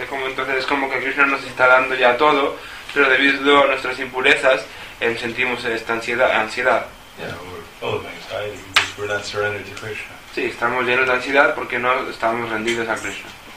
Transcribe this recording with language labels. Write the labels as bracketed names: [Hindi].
[Spanish] Entonces es como que Krishna nos está dando ya todo, pero debido a nuestras impurezas, sentimos esta ansiedad. [English] Yeah, we're full of anxiety because we're not surrendered to Krishna. [Spanish] Sí, estamos llenos de ansiedad porque no estamos rendidos a Krishna.